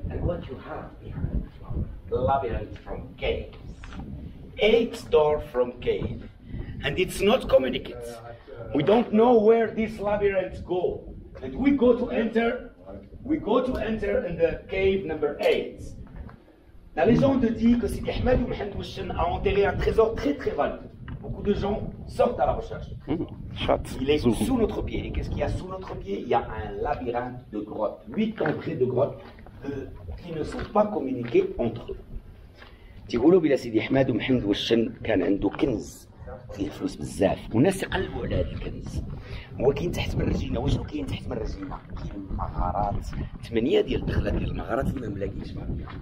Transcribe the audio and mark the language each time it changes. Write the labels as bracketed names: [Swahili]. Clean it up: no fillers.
[English] And what you have behind the flower? Labyrinth from caves. 8 door from cave. And it's not communicated. We don't know where this labyrinth go. And we go to enter. We go to enter in the cave number 8. [French] La légende dit que Sidi Ahmad ibn Mohamed Wussem a enterré un trésor très très valable. Beaucoup de gens sortent à la recherche. Il est sous notre pied. Et qu'est-ce qu'il y a sous notre pied? Il y a un labyrinthe de grottes, 8 entrées de grottes qui ne sont pas communiquées entre eux. [Arabic] تيقولوا بلا سيدي حماد ومحمد والشن كان عنده كنز فيه فلوس بزاف والناس قلبوا على هذا الكنز. هو كاين تحت من الرجلين، واشنو كاين تحت من الرجلين؟ كاين المغارات، 8 ديال الدخلات ديال المغارات اللي ما ملاقيش معاهم.